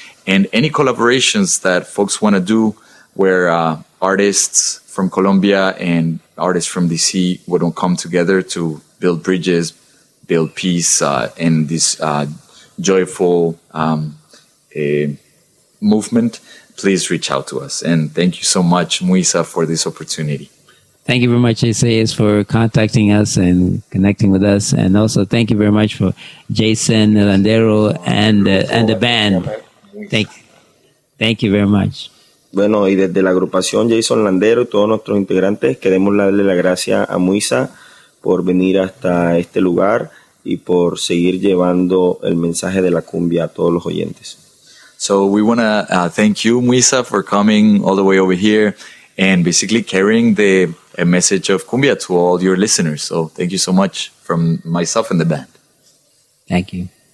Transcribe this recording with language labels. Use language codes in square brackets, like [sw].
[en] And any collaborations that folks want to do where artists from Colombia and artists from DC would come together to build bridges, build peace in this joyful movement, please reach out to us. And thank you so much, Muisa, for this opportunity. Thank you very much, Isaias, for contacting us and connecting with us. And also thank you very much for Jason Landero and the band. Thank you very much. [es] Bueno, y desde la agrupación Jason Landero y todos nuestros integrantes, queremos darle la gracia a Muisa por venir hasta este lugar y por seguir llevando el mensaje de la cumbia a todos los oyentes. [en] So we want to thank you, Muisa, for coming all the way over here and basically carrying the a message of cumbia to all your listeners. So thank you so much from myself and the band. Thank you.